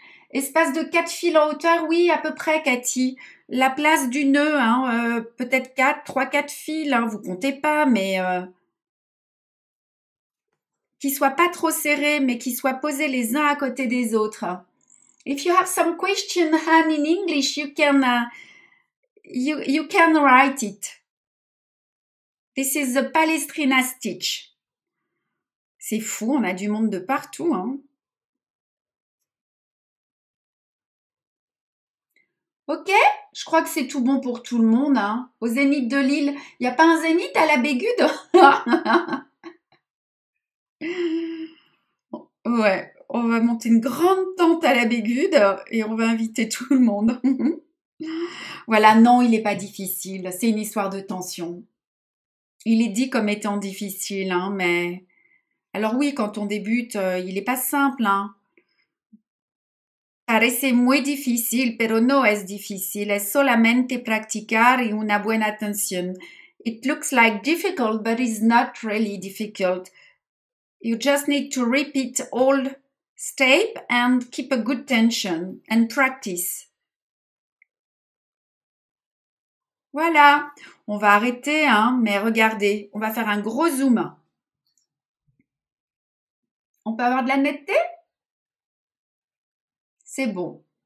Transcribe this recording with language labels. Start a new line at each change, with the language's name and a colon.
French: Espace de 4 fils en hauteur, oui, à peu près Cathy. La place du nœud, hein, peut-être 4, 3, 4 fils, hein, vous comptez pas, mais qu'ils soient pas trop serrés, mais qu'ils soient posés les uns à côté des autres.
English: If you have some question, Han, in English, you can write it. This is the palestrina stitch.
French: C'est fou, on a du monde de partout, hein. Ok, je crois que c'est tout bon pour tout le monde, hein. Au zénith de Lille, il n'y a pas un zénith à la Bégude? Ouais. On va monter une grande tente à la Bégude et on va inviter tout le monde. Voilà, non, il n'est pas difficile. C'est une histoire de tension. Il est dit comme étant difficile, hein, mais... Alors oui, quand on débute, il n'est pas simple.
Spanish: Hein. Parece muy difícil, pero no es difícil. Es solamente practicar y una buena atención.
English: It looks like difficult, but it's not really difficult. You just need to repeat all... Step and keep a good tension and practice.
French: Voilà, on va arrêter, hein, mais regardez, on va faire un gros zoom. On peut avoir de la netteté? C'est bon.